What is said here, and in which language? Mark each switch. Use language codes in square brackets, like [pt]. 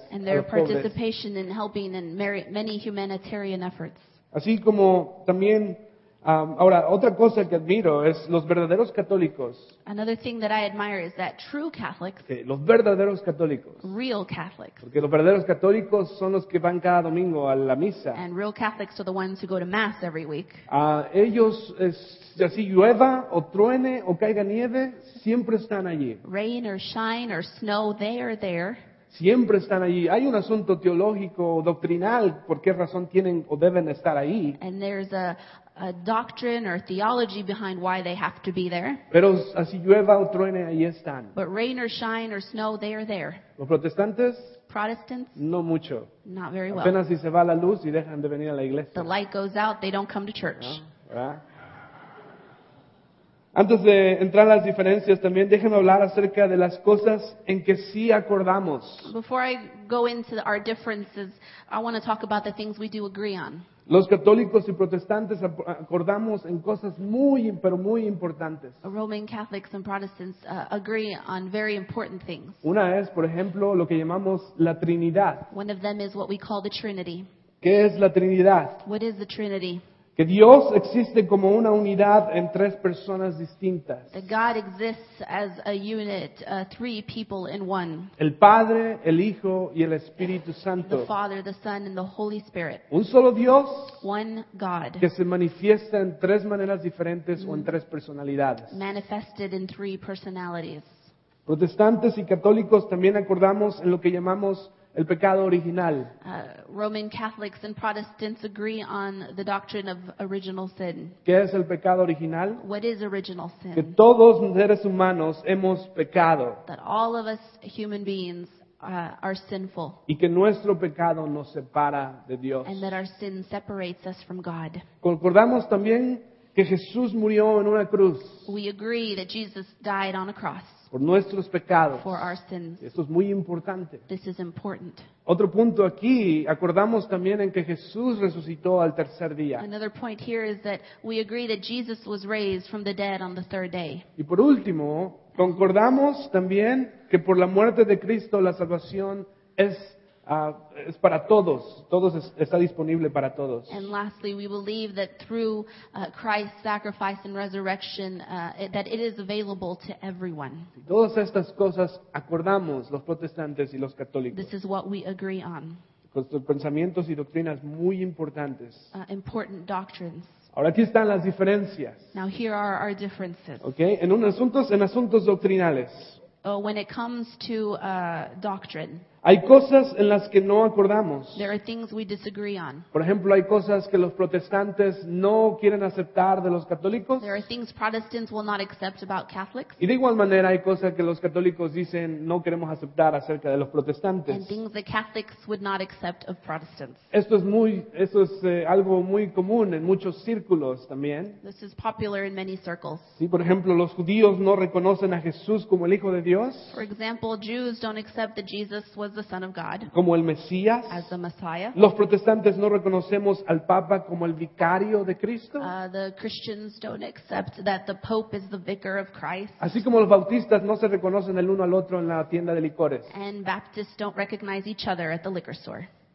[en] And their participation in helping in many humanitarian efforts. [es] Así como también, ahora, otra cosa que admiro es los verdaderos católicos. [en] Another thing that I admire is that true Catholics, [es] los verdaderos católicos, [en] real Catholics, [es] porque los verdaderos católicos son los que van cada domingo a la misa. [en] And real Catholics are the ones who go to mass every week. [es] Ellos, así llueva o truene o caiga nieve, siempre están allí. [en] Rain or shine or snow, they are there. [es] Siempre están allí. [en] Hay un asunto teológico o doctrinal por qué razón tienen o deben estar ahí. [es] And there's a doctrine or theology behind why they have to be there. [en] Pero así llueva o truene, ahí están. [es] But rain or shine or snow, they are there. [en] Los protestantes, [es] Protestants, [en] no mucho. [es] Not very well. [en] Apenas si se va la luz y dejan de venir a la iglesia. [es] The light goes out, they don't come to church. ¿No? Antes de entrar a las diferencias, también déjenme hablar acerca de las cosas en que sí acordamos. [en] Before I go into our differences, I want to talk about the things we do agree on. [es] Los católicos y protestantes acordamos en cosas muy, pero muy importantes. [en] Roman Catholics and Protestants agree on very important things. [es] Una es, por ejemplo, lo que llamamos la Trinidad. [en] One of them is what we call the Trinity. [es] ¿Qué es la Trinidad? [en] What is the Trinity? [es] Que Dios existe como una unidad en tres personas distintas. [en] That God exists as a unit, three people in one. [es] El Padre, el Hijo y el Espíritu Santo. [en] The Father, the Son, and the Holy Spirit. [es] Un solo Dios. [en] One God. [es] Que se manifiesta en tres maneras diferentes o en tres personalidades. [en] Manifested in three personalities. [es] Protestantes y católicos también acordamos en lo que llamamos el pecado original. [en] Roman Catholics and Protestants agree on the doctrine of original sin. [es] ¿Qué es el pecado original? [en] What is original sin? [es] Que todos seres humanos hemos pecado. [en] That all of us human beings are sinful. [es] Y que nuestro pecado nos separa de Dios. [en] And that our sin separates us from God. [es] Concordamos también que Jesús murió en una cruz. [en] We agree that Jesus died on a cross. [es] Por nuestros pecados. [en] For our sins. [es] Esto es muy importante. [en] This is important. [es] Otro punto aquí, acordamos también en que Jesús resucitó al tercer día. [en] Another point here is that we agree that Jesus was raised from the dead on the third day. [es] Y por último, concordamos también que por la muerte de Cristo la salvación es para todos. Todos está disponible para todos. [en] And lastly, we believe that through Christ's sacrifice and resurrection, that it is available to everyone. [es] Todas estas cosas acordamos los protestantes y los católicos. [en] This is what we agree on. [es] Pensamientos y doctrinas muy importantes. [en] Important doctrines. [es] Ahora aquí están las diferencias. [en] Now here are our differences. [es] Okay, en asuntos doctrinales. [en] When it comes to doctrine. [es] Hay cosas en las que no acordamos. [en] There are things we disagree on. [es] Por ejemplo, hay cosas que los protestantes no quieren aceptar de los católicos. [en] There are things Protestants will not accept about Catholics. [es] Y de igual manera hay cosas que los católicos dicen no queremos aceptar acerca de los protestantes. [en] And things that Catholics would not accept of Protestants. [es] Esto es algo muy común en muchos círculos también. [en] This is popular in many circles. [es] Sí, por ejemplo, los judíos no reconocen a Jesús como el Hijo de Dios. [en] For example, Jews don't accept that Jesus was the Son of God. [es] Como el Mesías. [en] As the Messiah. [es] Los protestantes no reconocemos al Papa como el vicario de Cristo. [en] The Christians don't accept that the Pope is the vicar of Christ. [es] Así como los bautistas no se reconocen el uno al otro en la tienda de licores. [en] And Baptists don't recognize each other at the liquor store.